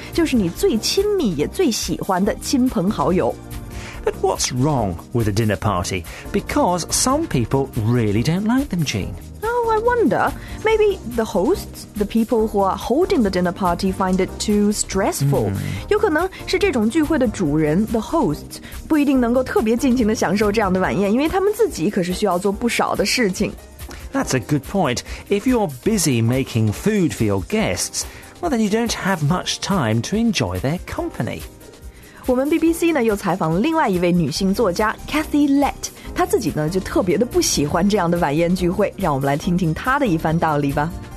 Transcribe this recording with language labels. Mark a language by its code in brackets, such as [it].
[zh] 就是你最亲密也最喜欢的亲朋好友。 [en] But what's wrong with a dinner party? Because some people really don't like them, Jean. Oh, I wonder. Maybe the hosts, the people who are holding the dinner party, find it too stressful. [zh] 有可能是这种聚会的主人 the hosts, 不一定能够特别尽情地享受这样的晚宴，因为他们自己可是需要做不少的事情。 [en] That's a good point. If you're busy making food for your guests, well, then you don't have much time to enjoy their company. [zh] 我们 BBC 呢又采访了另外一位女性作家 Cathy Lett， 她自己呢就特别的不喜欢这样的晚宴聚会，让我们来听听她的一番道理吧。